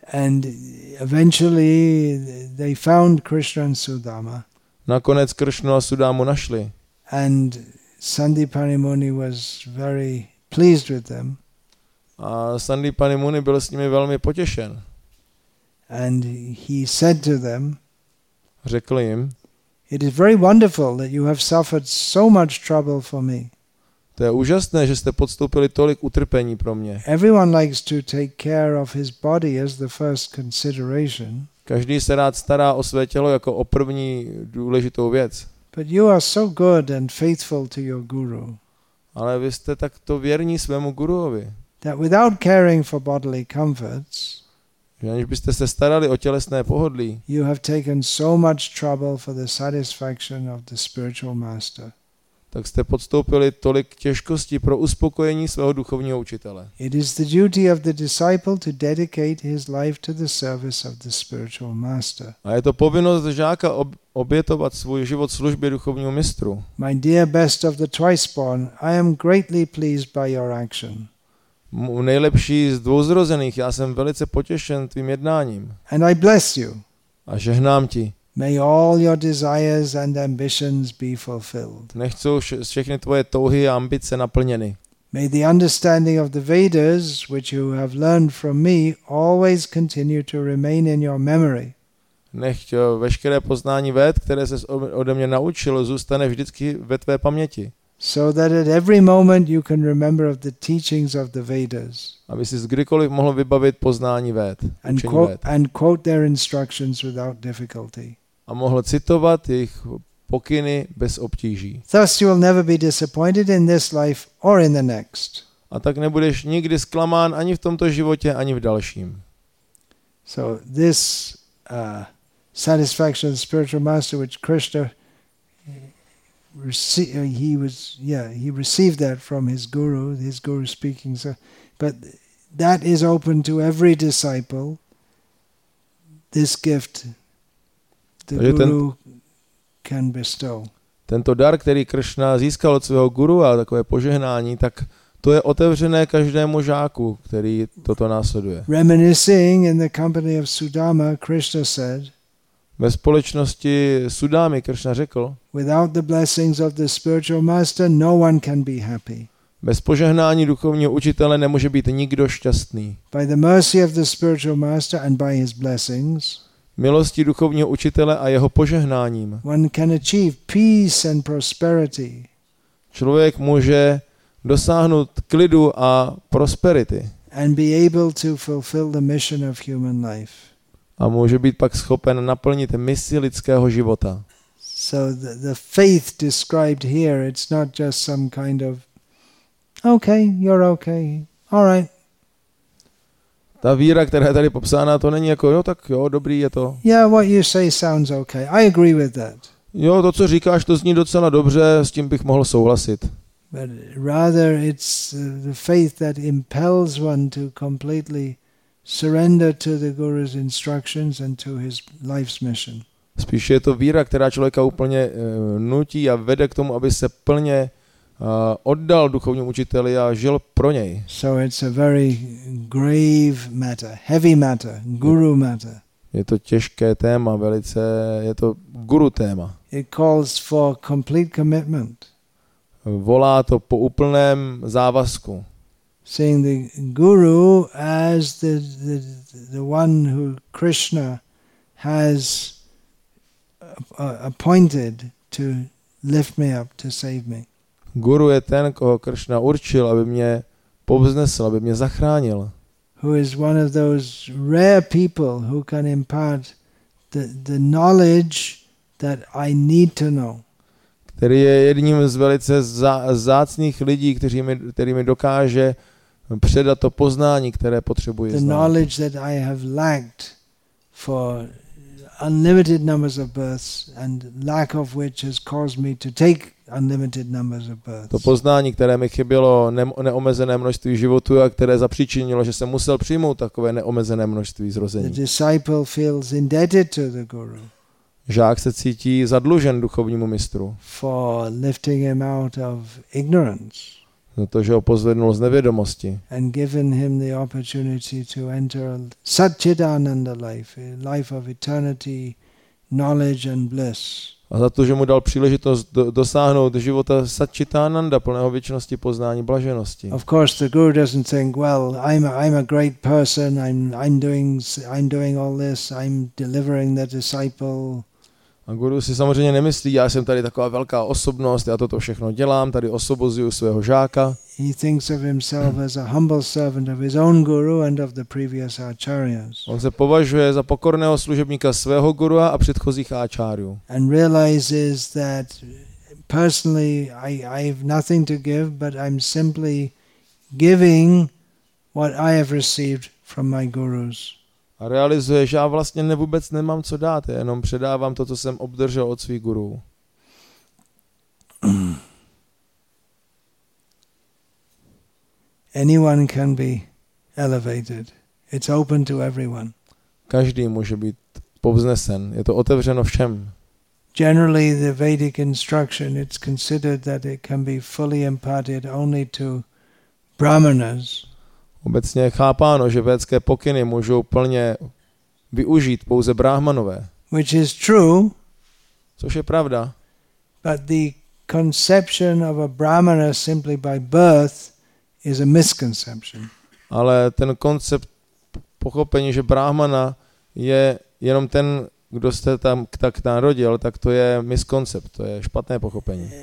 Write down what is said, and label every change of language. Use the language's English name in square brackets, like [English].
[English] And eventually they found Krishna and Sudama. [Czech] Nakonec Krishnu a Sudamu našli. [English] And Sandipani Muni was very pleased with them. [Czech] A Sandipani Muni byl s nimi velmi potěšen. [English] And he said to them, [Czech] řekl jim, [English] it is very wonderful that you have suffered so much trouble for me. [Czech] To je úžasné, že jste podstoupili tolik utrpení pro mě. [English] Everyone likes to take care of his body as the first consideration. [Czech] Každý se rád stará o své tělo jako o první důležitou věc. [English] But you are so good and faithful to your guru. [Czech] Ale vy jste takto věrní svému guruovi. [English] That without caring for bodily comforts, [Czech] že aniž byste se starali o tělesné pohodlí, [English] you have taken so much trouble for the satisfaction of the spiritual master. [Czech] Tak jste podstoupili tolik těžkostí pro uspokojení svého duchovního učitele. [English] It is the duty of the disciple to dedicate his life to the service of the spiritual master. [Czech] A je to povinnost žáka obětovat svůj život službě duchovního mistru. [English] My dear best of the twice born, I am greatly pleased by your action. [Czech] Nejlepší z dvouzrozených, já jsem velice potěšen tvým jednáním. [English] And I bless you. [Czech] A žehnám ti. [English] May all your desires and ambitions be fulfilled. [Czech] Nech jsou všechny tvoje touhy a ambice naplněny. [English] May the understanding of the Vedas, which you have learned from me, always continue to remain in your memory. [Czech] Nech veškeré poznání Véd, které ses ode mě naučil, zůstane vždycky ve tvé paměti. [English] So that at every moment you can remember of the teachings of the Vedas. [Czech] Aby si kdykoliv mohl vybavit poznání Véd, učení Véd. [English] And quote their instructions without difficulty. [Czech] A mohl citovat jejich pokyny bez obtíží. [English] Thus you will never be disappointed in this life or in the next. [Czech] A tak nebudeš nikdy zklamán ani v tomto životě, ani v dalším. [English] So this satisfaction of the spiritual master which Krishna he received that from his guru speaking, so, but that is open to every disciple, this gift the guru can bestow. [Czech] Tento dar, který Krishna získal od svého guru, a takové požehnání, tak to je otevřené každému žáku, který toto následuje. [English] Reminiscing in the company of Sudama, Krishna said, [Czech] ve společnosti Sudámy Krishna řekl, [English] without the blessings of the spiritual master, no one can be happy. [Czech] Bez požehnání duchovního učitele nemůže být nikdo šťastný. [English] By the mercy of the spiritual master and by his blessings, [Czech] milosti duchovního učitele a jeho požehnáním, [English] one can achieve peace and prosperity. [Czech] Člověk může dosáhnout klidu a prosperity. [English] And be able to fulfill the mission of human life. [Czech] A může být pak schopen naplnit misi lidského života. [English] So the faith described here, it's not just some kind of okay, you're okay, all right. [Czech] Ta víra, která je tady popsána, to není jako jo, tak jo, dobrý je to. [English] Yeah, what you say sounds okay. I agree with that. [Czech] Jo, to, co říkáš, to zní docela dobře, s tím bych mohl souhlasit. [English] But rather it's the faith that impels one to completely surrender to the guru's instructions and to his life's mission. [Czech] Spíše je to víra, která člověka úplně nutí a vede k tomu, aby se plně oddal duchovnímu učiteli a žil pro něj. [English] So it's a very grave matter, heavy matter, guru matter. [Czech] Je to těžké téma, velice, je to guru téma. [English] It calls for complete commitment. [Czech] Volá to po úplném závazku. [English] Seeing the guru as the one who Krishna has appointed to lift me up, to save me. [Czech] Guru je ten, koho Krishna určil, aby mě povznesl, aby mě zachránil. [English] Who is one of those rare people who can impart the knowledge that I need to know. [Czech] Který je jedním z velice zácných lidí, kterými dokáže předat to poznání, které potřebuje znát. [English] The knowledge that I have lacked for unlimited numbers of births and lack of which has caused me to take unlimited numbers of births. [Czech] To poznání, které mi chybělo neomezené množství životů a které zapříčinilo, že jsem musel přijmout takové neomezené množství zrození. [English] The disciple feels indebted to the guru. [Czech] Žák se cítí zadlužen duchovnímu mistru. [English] For lifting him out of ignorance. [Czech] Za to, že ho pozvednul z nevědomosti. [English] And given him the opportunity to enter a Satchidananda life, a life of eternity, knowledge and bliss. [Czech] A za to, že mu dal příležitost dosáhnout života Satchidananda, plného věčnosti, poznání, blaženosti. [English] Of course the guru doesn't think, well, I'm a great person, I'm doing all this, I'm delivering the disciple. [Czech] A guru si samozřejmě nemyslí, já jsem tady taková velká osobnost, já toto všechno dělám, tady osvobozuju svého žáka. [English] He thinks of himself as a humble servant of his own guru and of the previous acharyas. [Czech] On se považuje za pokorného služebníka svého guru a předchozích áčárů. [English] And realizes that personally I have nothing to give, but I'm simply giving what I have received from my gurus. [Czech] A realizuje, že já vlastně vůbec nemám co dát, jenom předávám to, co jsem obdržel od svých gurů. [English] Anyone can be elevated. It's open to everyone. [Czech] Každý může být povznesen. Je to otevřeno všem. [English] Generally the Vedic instruction, it's considered that it can be fully imparted only to brahmanas. [Czech] Obecně je chápáno, že védské pokyny můžou plně využít pouze bráhmanové. [English] Which is true. [Czech] Což je pravda. [English] But the conception of a brahmana simply by birth is a misconception. [Czech] Ale ten koncept pochopení, že brahmana je jenom ten, kdo se tam tak narodil, tak to je miskoncept, to je špatné pochopení.